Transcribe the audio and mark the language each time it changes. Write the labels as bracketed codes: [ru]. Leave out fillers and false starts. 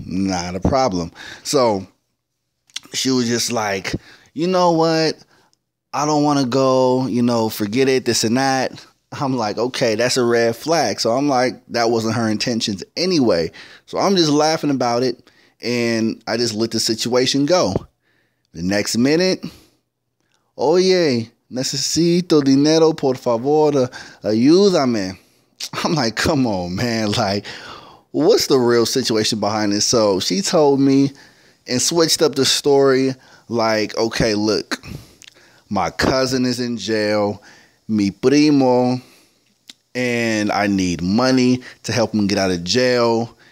[en] Not a problem. So she was just like, you know what? I don't want to go, you know, forget it, this and that. I'm like, okay, that's a red flag. So I'm like, that wasn't her intentions anyway. So I'm just laughing about it. And I just let the situation go. The next minute, [es] oye, necesito dinero, por favor, ayúdame. [en] I'm like, come on, man. Like, what's the real situation behind this? So she told me and switched up the story. Like, okay, look, my cousin is in jail, [es] mi primo, [en] and I need money to help him get out of jail.